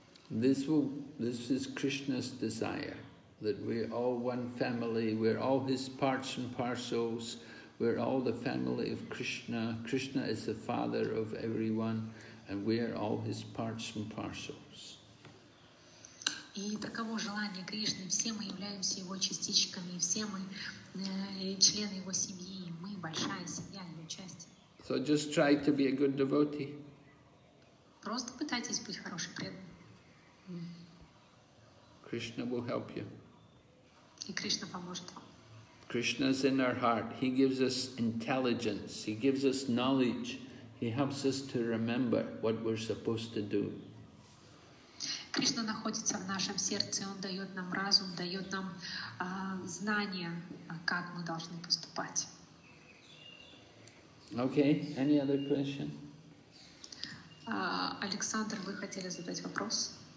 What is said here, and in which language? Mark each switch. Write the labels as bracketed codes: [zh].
[en] This is Krishna's desire, that we're all one family, we're all his parts and parcels, we're all the family of Krishna. Krishna is the father of everyone, and we are all his parts and parcels. [ru] И таково желание Кришны. Все мы являемся его частичками, все мы члены его семьи, мы большая семья, его часть. [en] So just try to be a good devotee. [ru] Просто пытайтесь быть хорошим преданным. [en] Krishna will help you. [ru] И Кришна поможет. [en] Krishna is in our heart. He gives us intelligence. He gives us knowledge. He helps us to remember what we're supposed to do. [ru] Кришна находится в нашем сердце. Он дает нам разум, дает нам знания, как мы должны поступать. [en] Okay. Any other question? [ru] Александр, вы хотели задать вопрос?